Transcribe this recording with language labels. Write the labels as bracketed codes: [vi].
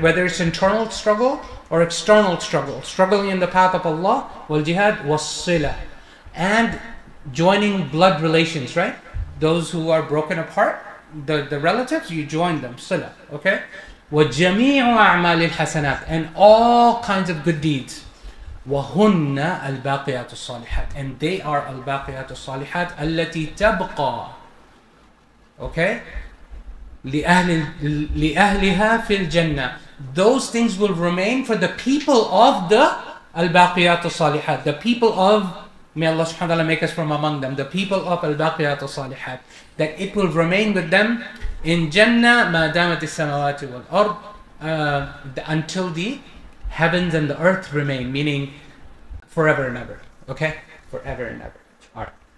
[en] Whether it's internal struggle or external struggle. Struggling in the path of Allah. Wal jihad, wa silah. And joining blood relations, right? Those who are broken apart, the relatives, you join them, silah, okay? [ar] وَجَمِيعُ أَعْمَالِ الْحَسَنَاتِ [en] and all kinds of good deeds. [ar] وَهُنَّ الْبَاقِيَاتُ الصَّالِحَاتِ [en] and they are [ar] الْبَاقِيَاتُ الصَّالِحَاتِ أَلَّتِي تَبْقَى [en] okay? [ar] لِأَهْلِهَا فِي الْجَنَّةِ [en] those things will remain for the people of the [ar] الْبَاقِيَاتُ الصَّالِحَاتِ [en] the people of may Allah subhanahu wa ta'ala make us from among them the people of الْبَاقِيَاتُ الصَّالِحَاتِ that it will remain with them in Jannah, [ar] ma damati samawati wal ard, [en] until the heavens and the earth remain, meaning forever and ever. Okay? Forever and ever. All right.